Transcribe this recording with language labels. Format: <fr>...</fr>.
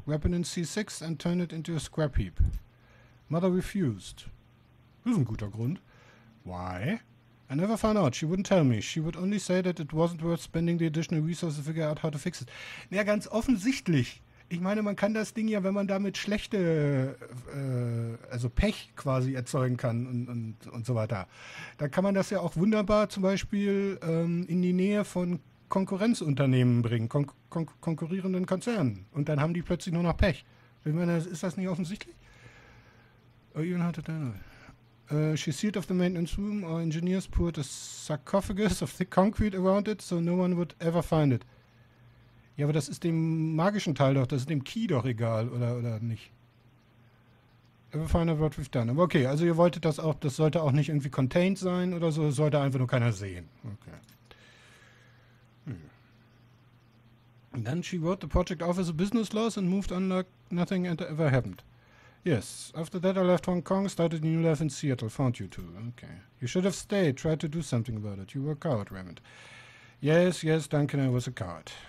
<en>Weapon in C6 and turn it into a scrap heap. Mother refused.</en> <de>Das ist ein guter Grund.</de> <en>Why? I never found out. She wouldn't tell me. She would only say that it wasn't worth spending the additional resources to figure out how to fix it.</en> <de>Naja, ganz offensichtlich. Ich meine, man kann das Ding ja, wenn man damit schlechte, also Pech quasi erzeugen kann und so weiter, dann kann man das ja auch wunderbar zum Beispiel in die Nähe von Konkurrenzunternehmen bringen, konkurrierenden Konzernen. Und dann haben die plötzlich nur noch Pech. Ich meine, ist das nicht offensichtlich?</de> <en>She sealed off the maintenance room. Our engineers poured a sarcophagus of thick concrete around it, so no one would ever find it.</en> <de>Ja, aber das ist dem magischen Teil doch, das ist dem Key doch egal, oder nicht?</de> <en>Ever find out what we've done?</en> <de>Aber okay, also ihr wolltet das auch, das sollte auch nicht irgendwie contained sein oder so, das sollte einfach nur keiner sehen. Okay.</de> <en>And then she wrote the project off as a business loss and moved on like nothing ever happened. Yes, after that I left Hong Kong, started a new life in Seattle, found you two. Okay. You should have stayed, tried to do something about it. You were a coward, Raymond. Yes, yes, Duncan, I was a coward.</en>